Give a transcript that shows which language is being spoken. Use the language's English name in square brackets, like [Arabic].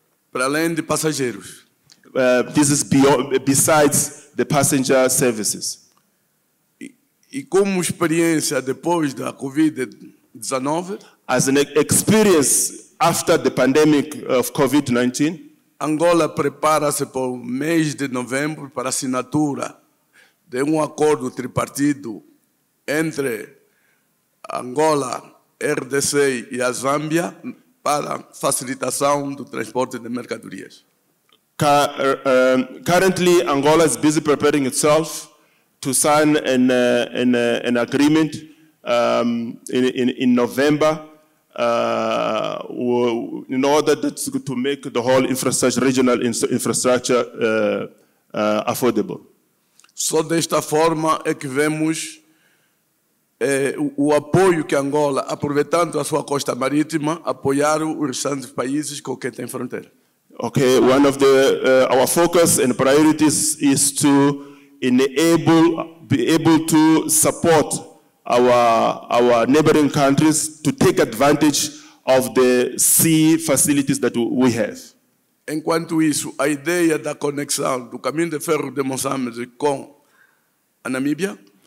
[Portuguese] Para além de passageiros. [English] This is besides the passenger services. [Portuguese] E como experiência depois da COVID 19 [English] as an experience after the pandemic of COVID-19. [Portuguese] Angola prepara-se para o mês de novembro para assinatura de acordo tripartido entre Angola, RDC e a Zâmbia para facilitação do transporte de mercadorias. [English] Currently, Angola is busy preparing itself to sign an agreement in November in order to make the whole infrastructure, regional infrastructure affordable. [Portuguese] Só desta forma é que vemos o apoio que Angola, aproveitando a sua costa marítima, apoiaram os restantes países com quem tem fronteira. [English] Okay, one of the our focus and priorities is to be able to support our neighboring countries to take advantage of the sea facilities that we have. [Portuguese] Enquanto isso, a ideia da conexão do caminho de ferro de Moçambique com a Namíbia.